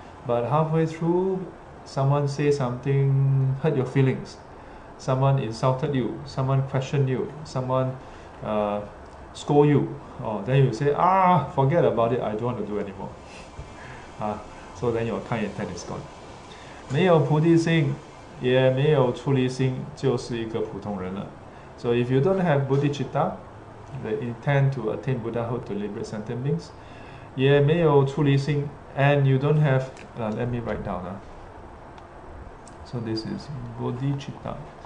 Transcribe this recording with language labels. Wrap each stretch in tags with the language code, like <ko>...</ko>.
<en>But halfway through, someone say something, hurt your feelings, someone insulted you, someone questioned you, someone scold you, then you say, forget about it, I don't want to do anymore. So then your kind intent is gone.</en> <zh>没有菩提心也没有出离心，就是一个普通人了。</zh> <en>So if you don't have bodhicitta, the intent to attain Buddhahood to liberate sentient beings,</en> <zh>也没有出离心</zh> <en>and you don't have, let me write down. So this is bodhicitta.</en>